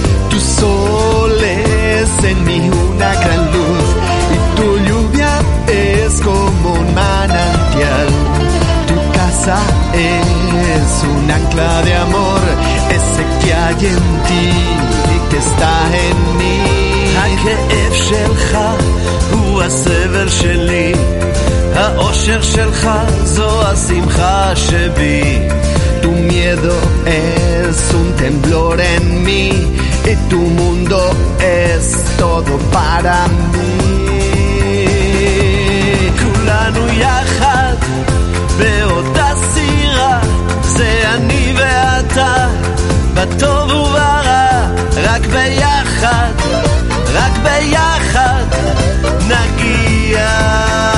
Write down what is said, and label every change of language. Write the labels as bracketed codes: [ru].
[es] Tu sol es en mi una gran luz, y tu lluvia es como un manantial. Tu casa es un ancla de amor, ese que hay en ti y que está en mí. [he] הכאב שלך הוא הסבל שלי, האושר שלך זו השמחה שבי. [es] Tu miedo es un temblor en mí, y tu mundo es todo para mí. [he] כולנו יחד באותה סירה, זה אני ואתה, בטוב וברע, רק ביחד, רק ביחד נגיע.